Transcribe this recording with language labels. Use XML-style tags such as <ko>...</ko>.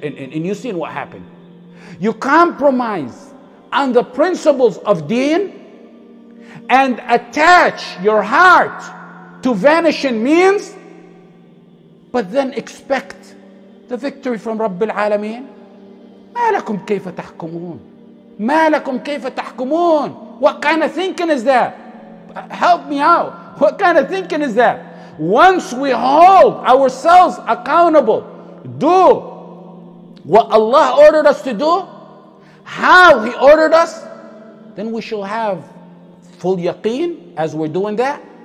<en>And you've seen what happened. You compromise on the principles of deen and attach your heart to vanishing means, but then expect the victory from Rabbil Alameen.</en> <ar>مَا لَكُمْ كَيْفَ تَحْكُمُونَ مَا لَكُمْ كَيْفَ تَحْكُمُونَ</ar> <en>What kind of thinking is that? Help me out. What kind of thinking is that? Once we hold ourselves accountable, do what Allah ordered us to do, how He ordered us, then we shall have full yaqeen as we're doing that.</en>